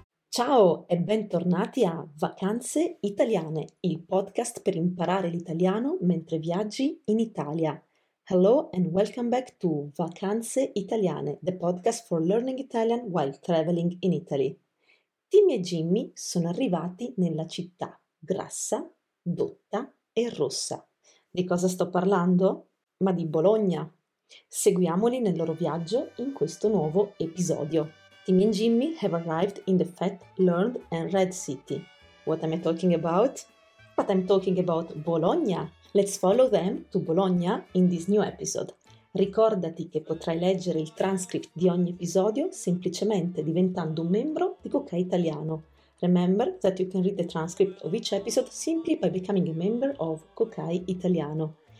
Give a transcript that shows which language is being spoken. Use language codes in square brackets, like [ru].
[it] Ciao e bentornati a Vacanze Italiane, il podcast per imparare l'italiano mentre viaggi in Italia. [en] Hello and welcome back to Vacanze Italiane, the podcast for learning Italian while traveling in Italy. [it] Timmy e Jimmy sono arrivati nella città grassa, dotta e rossa. Di cosa sto parlando? Ma di Bologna. Seguiamoli nel loro viaggio in questo nuovo episodio. [en] Timmy and Jimmy have arrived in the fat, learned and red city. What am I talking about? But I'm talking about Bologna. Let's follow them to Bologna in this new episode. [it] Ricordati che potrai leggere il transcript di ogni episodio semplicemente diventando un membro di Cocai Italiano. [en] Remember that you can read the transcript of each episode simply by becoming a member of Cocai Italiano.